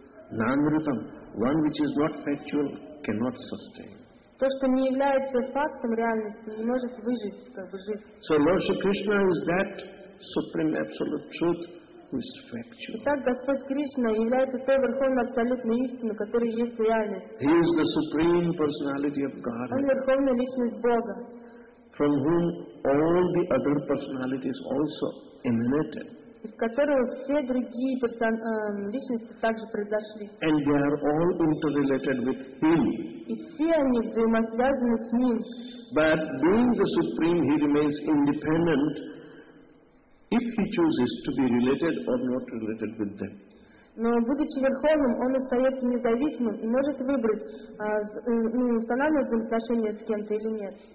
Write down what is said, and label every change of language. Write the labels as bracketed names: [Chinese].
[English] Nanritam, one which is not factual, cannot sustain. [Russian] То, что не является фактом реальности, не может выжить, как бы жить. [English] So Lord Shri Krishna is that supreme absolute truth who is factual. [Russian] Итак, Господь Кришна является той верховной абсолютной истиной, которая есть реальность. [English] He is the supreme personality of God. [Russian] Он верховная личность Бога. [English] From whom all the other personalities also emanated. [Russian] Из которого все другие личности также произошли. [English] And they are all interrelated with him. [Russian] И все они взаимосвязаны с ним. [English] But being the supreme, he remains independent if he chooses to be related or not related with them. [Russian] Но будучи верховным, он остается независимым и может выбрать, устанавливать взаимоотношения с кем-то или нет.